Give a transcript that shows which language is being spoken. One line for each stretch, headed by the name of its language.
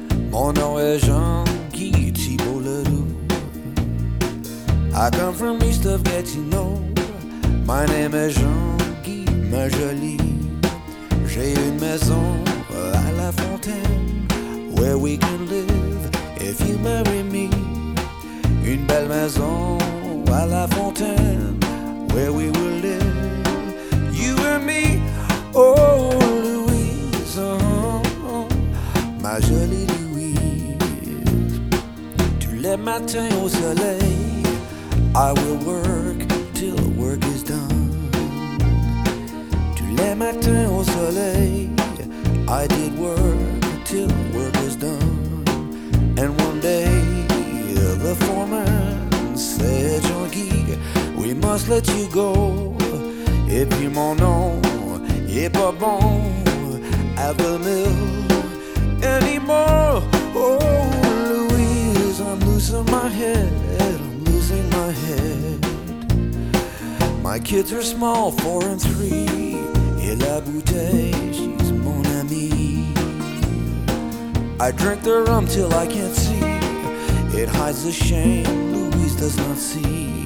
French: Mon nom est Jean-Guy Thibault-Leroux.
English: I come from east of Gatineau. My name is Jean-Guy,
French: ma jolie. J'ai une maison à
English: La Fontaine, where we can live if you marry me.
French: Une belle maison à
English: La Fontaine, where we will live, you and me.
French: Oh, Louise, oh, ma jolie Louise. Tous les matins au soleil,
English: I will work till work is done.
French: Tous les matins au soleil,
English: I did work till work is done. And one day the foreman said, Jean-Guy, we must let you go.
French: Et puis mon nom est pas bon
English: at the mill anymore. Oh, Louise, I'm losing my head, I'm losing my head. My kids are small, 4 and 3.
French: Et la bouteille,
English: she's
French: mon ami.
English: I drink the rum till I can't see. It hides the shame Louise does not see.